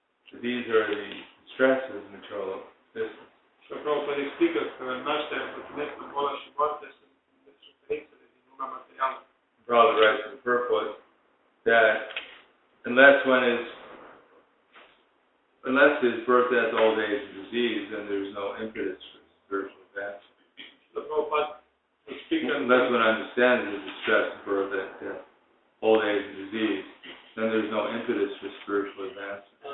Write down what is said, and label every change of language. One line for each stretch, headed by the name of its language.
English: So these are the stresses of material existence.
Romanian: Și Prabhupada explică că nașterea, plătinește, boala și moarte sunt suferințele din lumea materială.
English: Prabhupada writes in the purport that unless it's birth, death, old age, and disease, then there's no impetus for spiritual advancement. Unless one understands the distress, birth, death, old age, and disease, then there's no impetus for spiritual advancement.